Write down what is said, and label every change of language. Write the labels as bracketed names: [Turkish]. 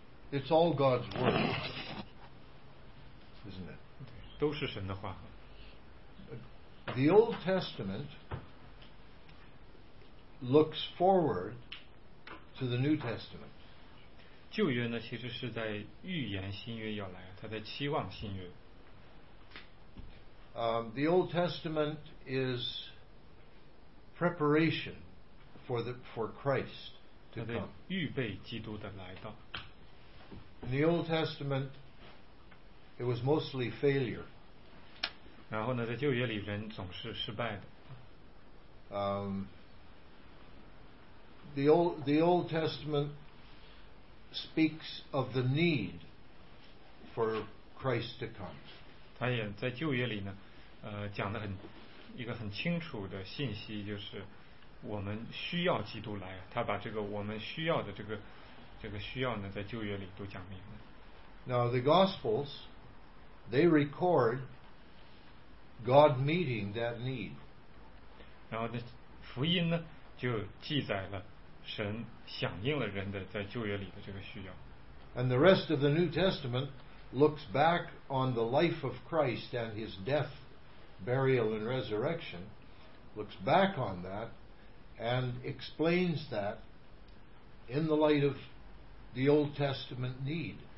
[English] It's all God's word, isn't it? [Chinese] 都是神的话。 [English] The Old Testament looks forward to the New Testament. [Chinese] 旧约呢, 其实是在预言新约要来, 它在期望新约。 [English] The Old Testament is preparation for Christ to come. [Chinese] 预备基督的来到。 [English] In the Old Testament, it was mostly failure. [Chinese] 然后呢, 在旧约里人总是失败的。 [English] The Old Testament speaks of the need for Christ to come. [Chinese] 他也在旧约里呢, 讲得很, 一个很清楚的信息就是 我们需要基督来， 他把这个我们需要的这个需要呢， 在旧约里都讲明了。 [English] Now the Gospels, they record God meeting that need. [Chinese] 然后福音呢， 就记载了神响应了人的在旧约里的这个需要。 [English] And the rest of the New Testament looks back on the life of Christ and his death, burial and resurrection, looks back on that and explains that in the light of the Old Testament need.